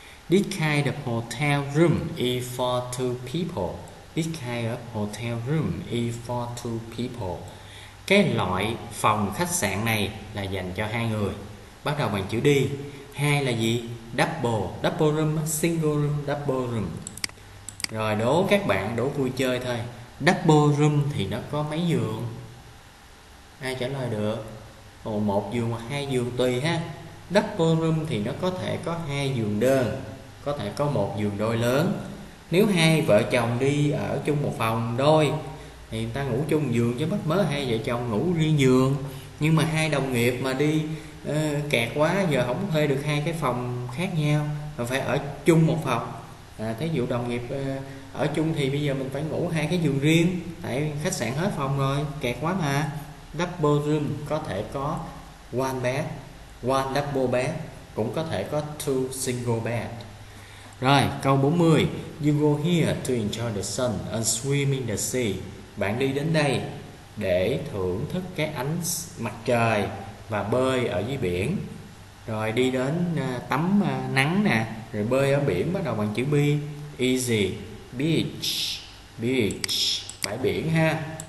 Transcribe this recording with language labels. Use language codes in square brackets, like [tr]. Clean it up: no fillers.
[en] This kind of hotel room is for two people. This kind of hotel room is for two people. [vi] Cái loại phòng khách sạn này là dành cho hai người. Bắt đầu bằng chữ D. Hai là gì? Double, double room, single room, double room. Rồi đố các bạn, đố vui chơi thôi. Double room thì nó có mấy giường? Ai trả lời được? Ồ, một giường hoặc hai giường tùy ha. Double room thì nó có thể có hai giường đơn, có thể có một giường đôi lớn. Nếu hai vợ chồng đi ở chung một phòng đôi thì người ta ngủ chung giường chứ mắc mớ hai vợ chồng ngủ riêng giường. Nhưng mà hai đồng nghiệp mà đi kẹt quá giờ không thuê được hai cái phòng khác nhau mà phải ở chung một phòng. À, thí dụ đồng nghiệp ở chung thì bây giờ mình phải ngủ hai cái giường riêng tại khách sạn hết phòng rồi, kẹt quá mà. Double room có thể có [en] one bed, one double bed, [vi] cũng có thể có [en] two single bed. [vi] Rồi, câu 40. [en] You go here to enjoy the sun and swim in the sea. [vi] Bạn đi đến đây để thưởng thức cái ánh mặt trời và bơi ở dưới biển. Rồi đi đến tắm nắng nè, rồi bơi ở biển bắt đầu bằng chữ B. Easy. Beach. Beach. Bãi biển ha.